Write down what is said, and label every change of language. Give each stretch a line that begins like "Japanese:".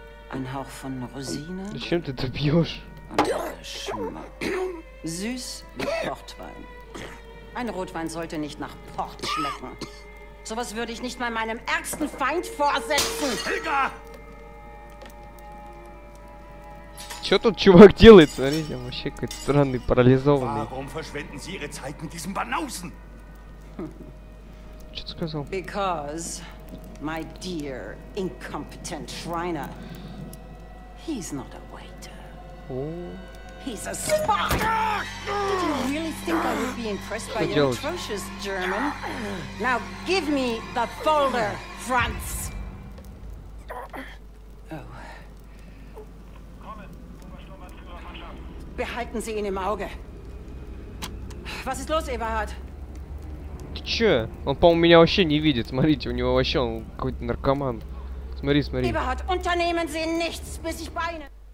German: Ein Hauch von Rosine. Das stimmt, der Biosch. Geschmack. Süß wie Portwein. Ein Rotwein sollte nicht nach Port schmecken. Sowas würde ich nicht mal meinem ärgsten Feind vorsetzen. Helga!
Russian: Что тут чувак делает? Смотрите, вообще какой-то странный, парализованный.
German: Warum verschwenden Sie Ihre Zeit mit diesem Banausen?
Russian: Что ты сказал?
English: Because, my dear incompetent Schreiner, he's not a waiter. Oh. He's a spy. Did you really think I would be impressed by your atrocious German? Now give me the folder, Franz.
German: Behalten Sie ihn im Auge. Was ist los, Eberhard?
Russian: Ты чё? Он, по-моему, меня вообще не видит. Смотрите, у него вообще он какой-то наркоман. Смотри, смотри. Eberhard, unternehmen Sie nichts, bis ich beine.